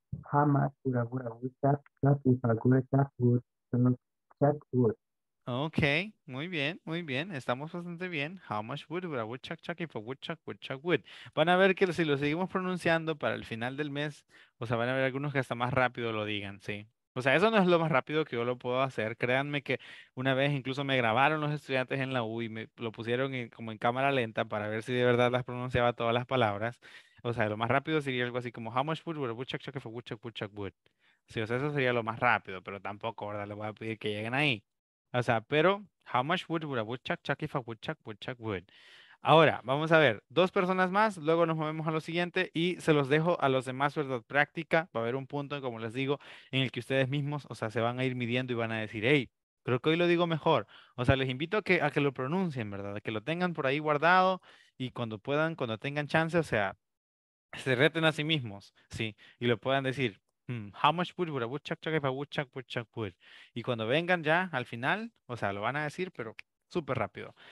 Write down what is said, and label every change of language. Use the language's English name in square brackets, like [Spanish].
[English] How much would a woodchuck chuck if a woodchuck would chuck wood? [Spanish] Okay, muy bien, muy bien. Estamos bastante bien. [English] How much wood would a woodchuck chuck if a woodchuck would chuck wood? [Spanish] Van a ver que si lo seguimos pronunciando para el final del mes, o sea, van a ver algunos que hasta más rápido lo digan, sí. O sea, eso no es lo más rápido que yo lo puedo hacer. Créanme que una vez incluso me grabaron los estudiantes en la U y me lo pusieron como en cámara lenta para ver si de verdad las pronunciaba todas las palabras. O sea, lo más rápido sería algo así como [English] how much wood would a woodchuck chuck if a woodchuck would chuck wood. [Spanish] Sí, o sea, eso sería lo más rápido, pero tampoco, ¿verdad? Le voy a pedir que lleguen ahí. O sea, pero [English] how much wood would a woodchuck chuck if a woodchuck would chuck wood. [Spanish] Ahora, vamos a ver, dos personas más, luego nos movemos a lo siguiente y se los dejo a los demás, ¿verdad? Práctica, va a haber un punto, como les digo, en el que ustedes mismos, o sea, se van a ir midiendo y van a decir, hey, creo que hoy lo digo mejor. O sea, les invito a que lo pronuncien, ¿verdad? A que lo tengan por ahí guardado y cuando puedan, cuando tengan chance, o sea, se reten a sí mismos, ¿sí? Y lo puedan decir, [English] how much wood would a woodchuck chuck if a woodchuck would chuck wood? [Spanish] Y cuando vengan ya, al final, o sea, lo van a decir, pero súper rápido.